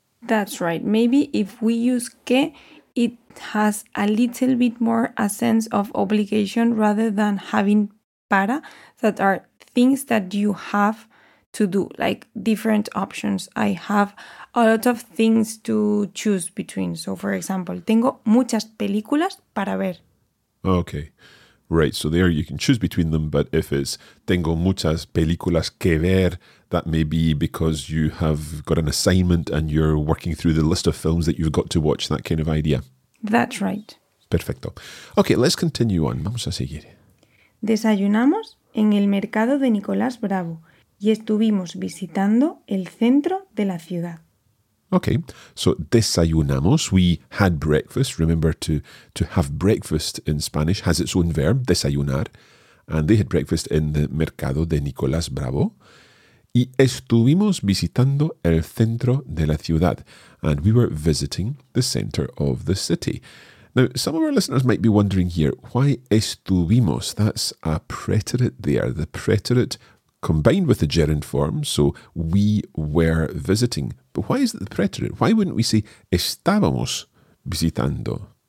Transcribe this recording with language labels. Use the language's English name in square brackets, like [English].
[English] That's right. Maybe if we use que, it has a little bit more a sense of obligation rather than having para, that are things that you have to do, like different options. I have a lot of things to choose between. So, for example, [Spanish] tengo muchas películas para ver. [English] Okay, right. So there you can choose between them. But if it's [Spanish] tengo muchas películas que ver, [English] that may be because you have got an assignment and you're working through the list of films that you've got to watch, that kind of idea. That's right. Perfecto. Okay, let's continue on. [Spanish] Vamos a seguir. Desayunamos en el mercado de Nicolás Bravo y estuvimos visitando el centro de la ciudad. [English] Okay, so desayunamos, we had breakfast. Remember, to have breakfast in Spanish has its own verb, desayunar. And they had breakfast in the mercado de Nicolás Bravo. [Spanish] Y estuvimos visitando el centro de la ciudad. [English] And we were visiting the center of the city. Now, some of our listeners might be wondering here, why estuvimos? That's a preterite there, the preterite combined with the gerund form, so we were visiting. But why is it the preterite? Why wouldn't we say [Spanish] estábamos visitando?